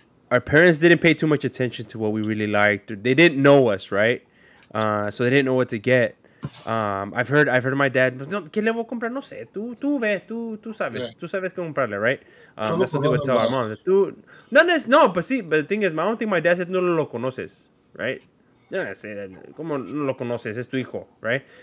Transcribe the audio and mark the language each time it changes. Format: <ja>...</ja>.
<en>Our parents didn't pay too much attention to what we really liked. They didn't know us, right? So they didn't know what to get. I've heard my dad,</en> <es>¿qué le voy a comprar? No sé, tú ve, tú sabes, yeah. Tú sabes qué comprarle, right?</es> <en>That's what they would tell our mom. But the thing is, I don't think my dad said</en> <es>no lo conoces.</es> <en>Right? They're not gonna say that.</en> <es>Como no lo conoces, es tu hijo, right?</es>